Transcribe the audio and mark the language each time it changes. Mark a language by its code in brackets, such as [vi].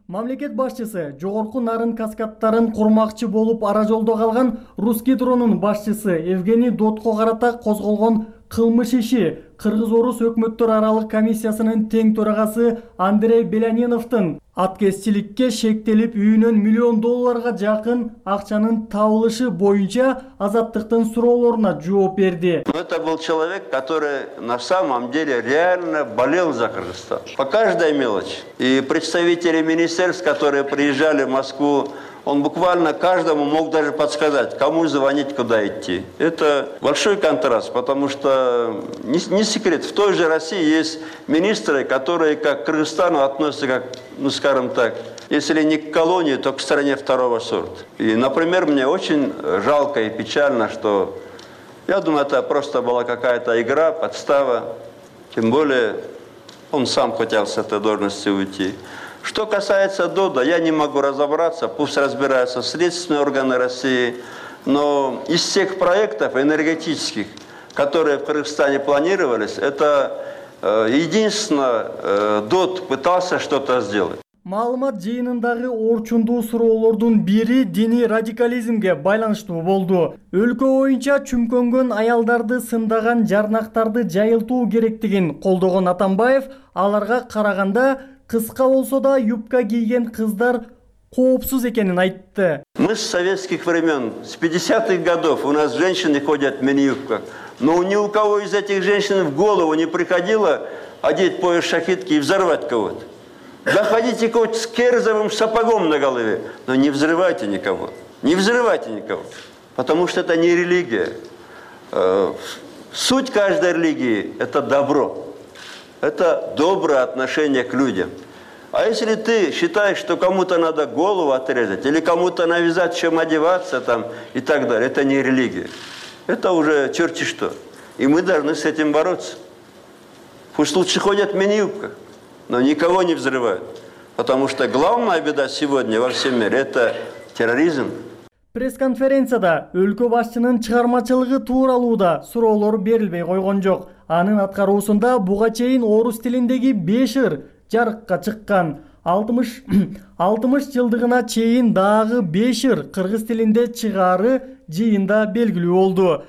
[ky] Мамлекет башчысы жогорку нарын каскадтарын курмакчы болуп ара жолдо калган Русгидронун башчысы Евгений Дотко карата козголгон кылмыш иши Кыргыз-Орус өкмөттөр аралык комиссиясынын тең төрагасы Андрей Беляниновдун аткезчиликке шектелип үйүнөн миллион долларга жакын акчанын табылышы боюнча азаттыктын суроолоруна жооп берди. [ru] Это был человек, который на самом деле реально болел за Кыргызстан. По каждой мелочи. И представители министерств, которые приезжали в Москву, он буквально каждому мог даже подсказать, кому звонить, куда идти. Это большой контраст, потому что не секрет, в той же России есть министры, которые как к Кыргызстану относятся, как, ну скажем так, если не к колонии, то к стране второго сорта. И, например, мне очень жалко и печально, что, я думаю, это просто была какая-то игра, подстава, тем более он сам хотел с этой должности уйти. Что касается ДОДа, я не могу разобраться, пусть разбираются следственные органы России, но из всех проектов энергетических, которые в Кыргызстане планировались, это единственное, ДОД пытался что-то сделать. [ky] Маалымат жыйынындагы орчундуу суроолордун бири диний радикализмге байланыштуу болду. Өлкө боюнча чүмкөнгөн аялдарды сындаган жарнактарды жайылтуу керектигин колдогон Атамбаев аларга караганда кыска болсо да юбка кийген кыздар коопсуз экенин айтты. [ru] Мы с советских времен, с 50-х годов у нас женщины ходят в мини-юбках. Но ни у кого из этих женщин в голову не приходило одеть пояс шахидки и взорвать кого-то. Заходите хоть с кирзовым сапогом на голове, но не взрывайте никого. Не взрывайте никого, потому что это не религия. Суть каждой религии – это добро. Это доброе отношение к людям. А если ты считаешь, что кому-то надо голову отрезать, или кому-то навязать, чем одеваться там, и так далее, это не религия. Это уже черти что. И мы должны с этим бороться. Пусть лучше ходят в мини-юбках. Но никого не взрывают. Потому что главная беда сегодня во всем мире – это терроризм. [ky] Пресс-конференцияда өлкө башчынын чыгармачылыгы тууралуу да суроолор берилбей койгон жок. Анын аткаруусунда буга чейин орус тилиндеги 5 ыр жарыкка чыккан. 60 жылдыгына чейин дагы 5 ыр кыргыз тилинде чыгары жыйында белгилүү болду.